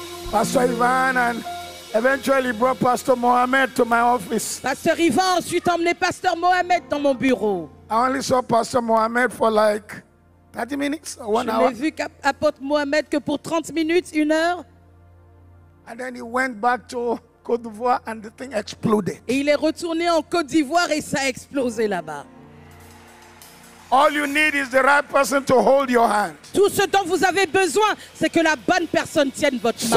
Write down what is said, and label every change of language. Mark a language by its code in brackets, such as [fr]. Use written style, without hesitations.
[en] Pastor Ivan and eventually brought Pastor Mohamed to my office. [fr] Pasteur Ivan a ensuite emmené Pasteur Mohamed dans mon bureau. [en] I only saw Pastor Mohamed for like 30 minutes or one [fr] Je [en] hour. [fr] Je n'ai vu qu'Apôtre Mohamed que pour 30 minutes, une heure. [en] And then he went back to Côte d'Ivoire and the thing exploded. [fr] Et il est retourné en Côte d'Ivoire et ça a explosé là-bas. [en] All you need is the right person to hold your hand. [fr] Tout ce dont vous avez besoin, c'est que la bonne personne tienne votre main.